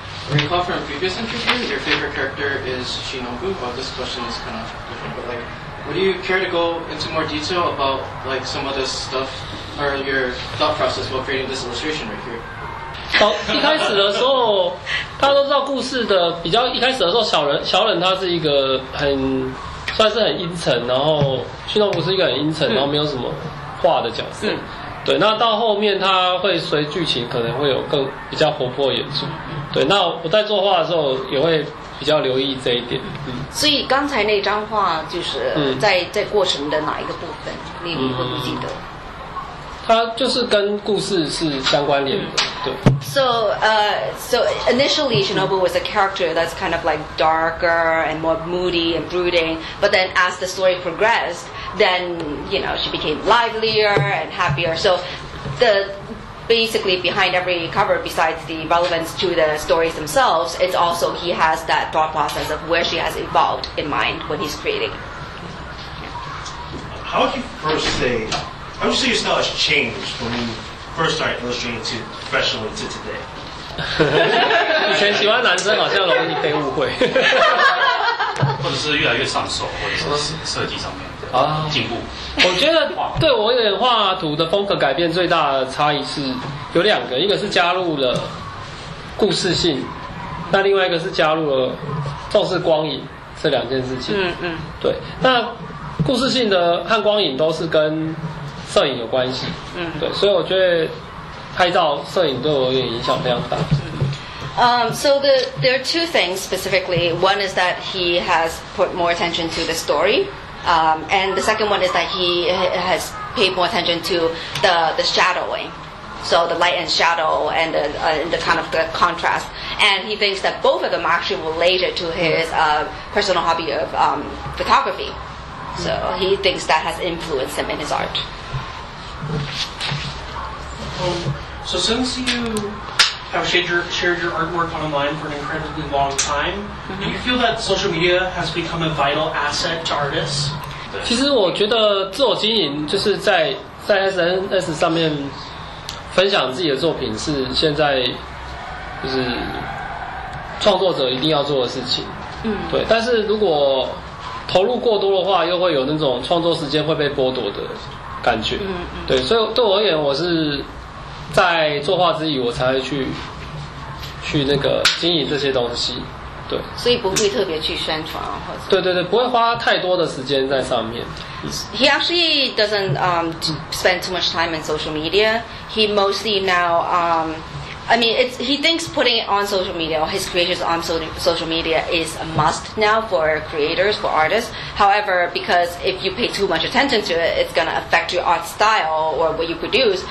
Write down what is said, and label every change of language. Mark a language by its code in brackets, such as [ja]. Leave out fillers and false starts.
[en] Recall from previous interviews, your favorite character is Shinobu. Well, this question is kind of different, but like, would you care to go into more detail about like some of this stuff or your thought process while creating this illustration right here? [zh] 一开始的时候，大家都知道故事的比较一开始的时候，小忍他是一个很算是很阴沉，然后Shinobu是一个很阴沉，然后没有什么话的角色。对，那到后面他会随剧情可能会有更比较活泼演出。对，那我在作画的时候也会比较留意这一点。所以刚才那张画就是在过程的哪一个部分，你会不记得？它就是跟故事是相关联的。对。 [en] So initially Shinobu was a character that's kind of like darker and more moody and brooding, but then as the story progressed, then you know she became livelier and happier. So basically behind every cover, besides the relevance to the stories themselves, it's also he has that thought process of where she has evolved in mind when he's creating. How would you first say, how would you say your style has changed when you first started illustrating to professionally to today? [zh] 以前喜欢男生好像容易被误会，或者是越来越上手，或者是设计上面啊，进步。我觉得对我有点画图的风格改变最大的差异是有两个，一个是加入了故事性，那另外一个是加入了重视光影这两件事情。嗯嗯，对。那故事性的和光影都是跟摄影有关系。嗯，对。所以我觉得拍照摄影对我有点影响非常大。 [en] So there are two things specifically. One is that he has put more attention to the story. And the second one is that he has paid more attention to the shadowing, so the light and shadow and the kind of the contrast. And he thinks that both of them actually relate to his personal hobby of photography. So he thinks that has influenced him in his art. So since you have shared your artwork online for an incredibly long time, do you feel that social media has become a vital asset to artists? [zh] 其实我觉得自我经营就是在 SNS 上面分享自己的作品是现在就是创作者一定要做的事情。嗯，对。但是如果投入过多的话，又会有那种创作时间会被剥夺的感觉。嗯，对。所以对我而言，我是在作画之余，我才会去那个经营这些东西。对，所以不会特别去宣传啊，或者对对对，不会花太多的时间在上面。 [en] He actually doesn't spend too much time in social media. He mostly now, he thinks putting it on social media, his creations on social media is a must now for creators, for artists. However, because if you pay too much attention to it, it's going to affect your art style or what you produce.